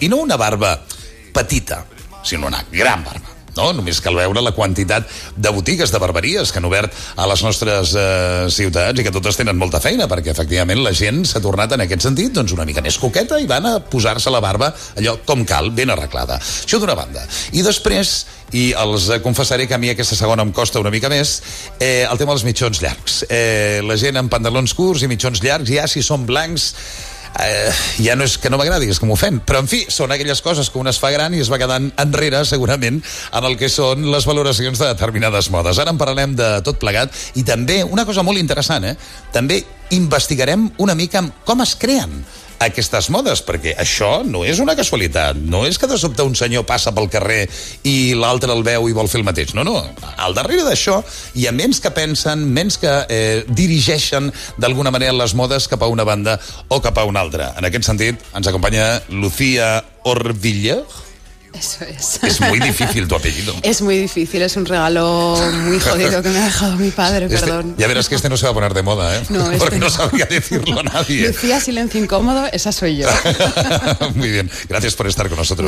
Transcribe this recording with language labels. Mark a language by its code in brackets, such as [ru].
[ca] I no una barba petita, sinó una gran barba. No, només cal veure la quantitat de botigues de barberies que han obert a les nostres ciutats i que totes tenen molta feina, perquè efectivament la gent s'ha tornat en aquest sentit doncs una mica més coqueta i van a posar-se la barba allò com cal, ben arreglada. Això d'una banda. I després, i els confessaré que a mi aquesta segona em costa una mica més, el tema dels mitjons llargs. La gent amb pantalons curts i mitjons llargs, ja si són blancs, ja no és que no m'agradi, és que m'ho fem. Però, en fi, són aquelles coses que un es fa gran i es va quedant enrere, segurament, en el que són les valoracions de determinades modes. Ara en parlarem de tot plegat i també, una cosa molt interessant, també investigarem una mica com es creen aquestes modes, perquè això no és una casualitat, no és que de sobte un senyor passa pel carrer i l'altre el veu i vol fer el mateix, no, no, al darrere d'això hi ha ments que pensen, ments que dirigeixen d'alguna manera les modes cap a una banda o cap a una altra. En aquest sentit ens acompanya Lucía Orvilla. [es] Eso es. Es muy difícil tu apellido. Es muy difícil, es un regalo muy jodido que me ha dejado mi padre, este, perdón. Ya verás que este no se va a poner de moda, ¿eh? No, este porque no sabía decirlo a nadie. Lucía, silencio incómodo, esa soy yo. Muy bien, gracias por estar con nosotros.